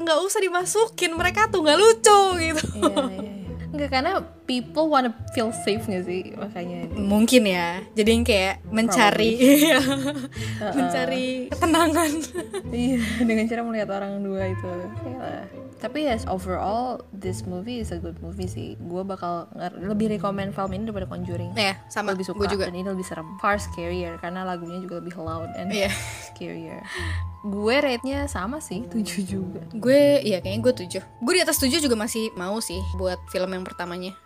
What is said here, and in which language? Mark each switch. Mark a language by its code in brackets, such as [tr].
[id] Gak usah dimasukin, mereka tuh gak lucu gitu. Enggak, karena people wanna feel safe gak sih makanya ini. Mungkin ya. Jadi yang kayak mencari mencari ketenangan. Iya, dengan cara melihat orang dua itu. [en] Tapi yes, overall this movie is a good movie sih. [id] Gue bakal lebih recommend film ini daripada Conjuring. Iya, sama. Lebih suka. Gua juga. Dan ini lebih serem. Far scarier, karena lagunya juga lebih loud and scarier. Gue ratenya sama sih, 7 juga. Gue, iya kayaknya gue 7. Gue di atas 7 juga masih mau sih buat film yang pertamanya.